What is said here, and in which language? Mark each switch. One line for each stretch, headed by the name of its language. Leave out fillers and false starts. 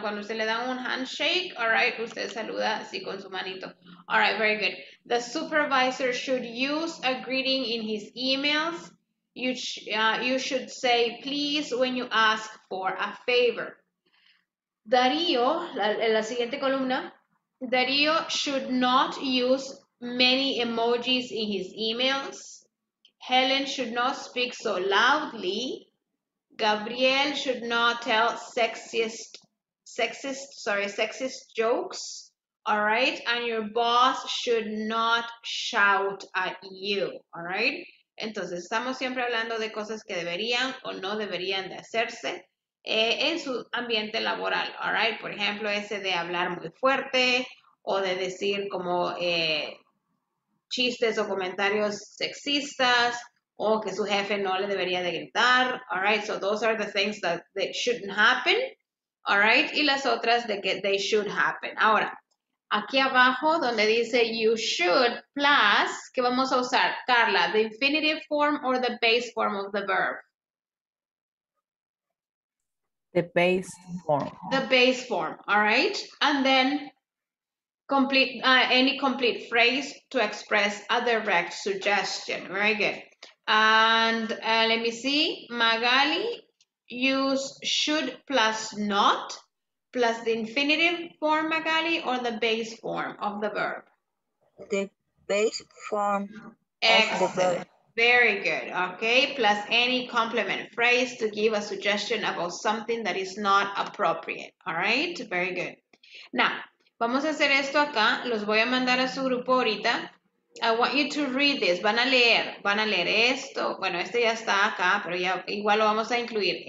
Spanish: Cuando usted le da un handshake,
English: all right,
Spanish: usted saluda así con su manito.
English: All right, very good. The supervisor should use a greeting in his emails. You should say please when you ask for a favor. Darío,
Spanish: en la siguiente columna,
English: Darío should not use many emojis in his emails. Helen should not speak so loudly. Gabriel should not tell sexist jokes. All right. And your boss should not shout at you. All right.
Spanish: Entonces, estamos siempre hablando de cosas que deberían o no deberían de hacerse en su ambiente laboral.
English: All right.
Spanish: Por ejemplo, ese de hablar muy fuerte o de decir como chistes o comentarios sexistas. O que su jefe no le debería de gritar.
English: All right, so those are the things that shouldn't happen. All right,
Spanish: y las otras de que
English: they should happen.
Spanish: Ahora, aquí abajo donde dice
English: you should plus,
Spanish: ¿qué vamos a usar?
English: Carla, the infinitive form or the base form of the verb? The base form. The base form, all right. And then any complete phrase to express a direct suggestion. Very good. And let me see, Magali, use should plus not plus the infinitive form, Magali, or the base form of the verb? The base form. Excellent. Of the verb. Very good. Okay, plus any complement phrase to give a suggestion about something that is not appropriate. All right, very good. Now,
Spanish: vamos a hacer esto acá. Los voy a mandar a su grupo ahorita.
English: I want you to read this.
Spanish: Van a leer esto. Bueno, este ya está acá, pero ya igual lo vamos a incluir.